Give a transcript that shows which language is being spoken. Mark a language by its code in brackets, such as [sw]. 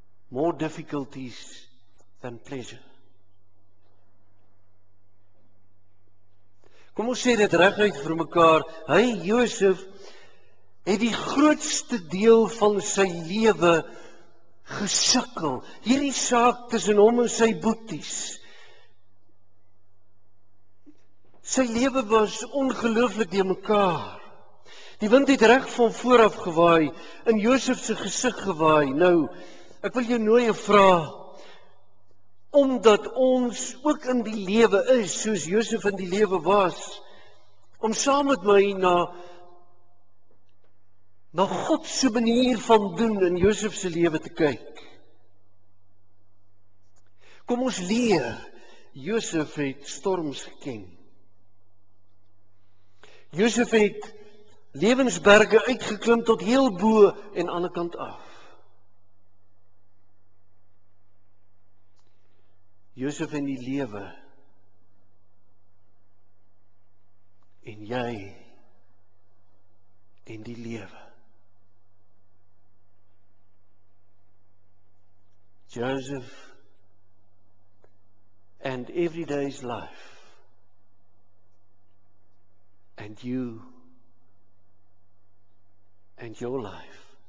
[en] More difficulties than pleasure. [af] Kom ons sê dit reguit vir mekaar, hy, Josef, het die grootste deel van sy lewe gesukkel, hierdie saak tussen hom en sy boeties. Sy lewe was ongelooflik die mekaar, die wind het reg van vooraf gewaai, in Josef sy gesig gewaai, nou, ek wil jou nooi en vra, omdat ons ook in die lewe is, soos Josef in die lewe was, om saam met my na Godse manier van doen in Josefse lewe te kyk. Kom ons leer, Josef het storms geken. Josef het lewensberge uitgeklim tot heel bo en ander kant af. Josef in die lewe en jy in die lewe. [en] Joseph and everyday's life and you and your life.